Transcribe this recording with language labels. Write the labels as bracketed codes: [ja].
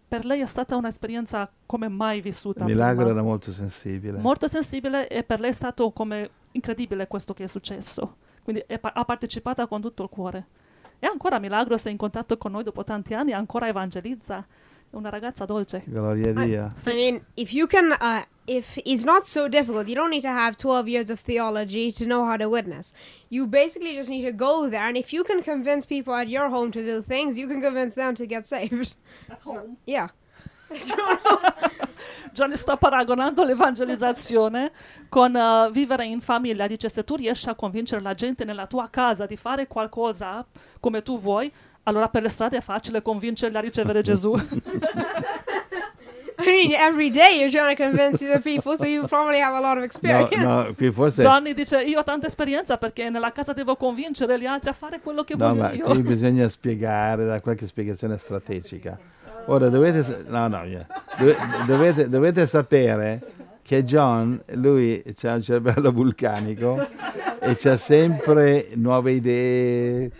[it] Per lei è stata un'esperienza come mai vissuta. Milagro prima. Era molto sensibile. Molto sensibile, e per lei è stato come incredibile questo che è successo. Quindi ha partecipato con tutto il cuore. E ancora Milagros è in contatto con noi dopo tanti anni, ancora evangelizza. È una ragazza dolce. Gloria a Dio. [en] I mean, if you can, if it's not so difficult, you don't need to have 12 years of theology to know how to witness. You basically just need to go there, and if you can convince people at your home to do things, you can convince them to get saved. At home? Yeah. [it] Johnny sta paragonando l'evangelizzazione con vivere in famiglia. Dice, se tu riesci a convincere la gente nella tua casa di fare qualcosa come tu vuoi, allora per le strade è facile convincerli a ricevere Gesù. [en] I mean, every day you're trying to convince the people, so you probably have a lot of experience. [it] No, no, qui forse... Johnny dice, io ho tanta esperienza perché nella casa devo convincere gli altri a fare quello che no, voglio ma io. Qui bisogna spiegare, da qualche spiegazione strategica. Ora dovete... Dovete sapere che John, lui c'ha un cervello vulcanico e c'ha sempre nuove idee.